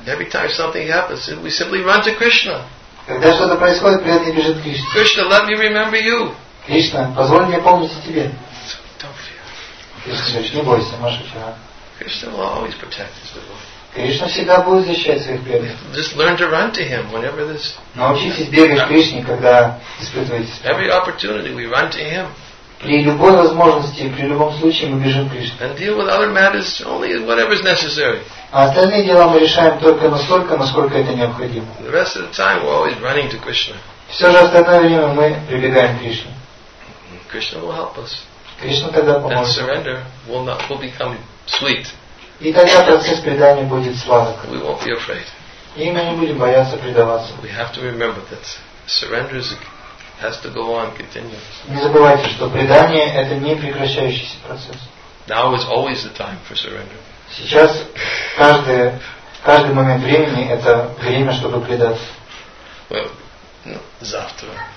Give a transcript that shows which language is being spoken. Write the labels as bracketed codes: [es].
[en] Every time something happens, we simply run to Krishna. [ru] Когда что-то происходит, преданный бежит к Кришне. [en] Krishna, let me remember you. [ru] Krishna, позволь мне помнить о тебе. [en] Don't fear. [ru] Не бойся, [sa] Масучана. [en] Krishna will always protect his devotee. [ru] Кришна всегда будет защищать своих преданных. [en] Just learn to run to him whenever this. [ru] Научитесь бегать к Кришне, когда испытываетесь. [en] Every opportunity we run to him. [ru] При любой возможности, при любом случае мы бежим к Кришне. [en] And deal with other matters only whatever is necessary. [ru] А остальные дела мы решаем только настолько, насколько это необходимо. [en] The rest of the time we're always running to Krishna. [ru] Все же остальное время мы прибегаем к Кришне. [en] Krishna will help us. [ru] Кришна тогда поможет. [en] That surrender will become sweet. [ru] И тогда процесс предания будет сладок. [en] We won't be afraid. [ru] И мы не будем бояться предаваться. [en] We have to remember that surrender has to go on continuously. [ru] Не забывайте, что предание это не прекращающийся процесс. [en] Now is always the time for surrender. [ru] Сейчас каждый момент времени это время, чтобы предаться. [en] Well, no, [ru] завтра.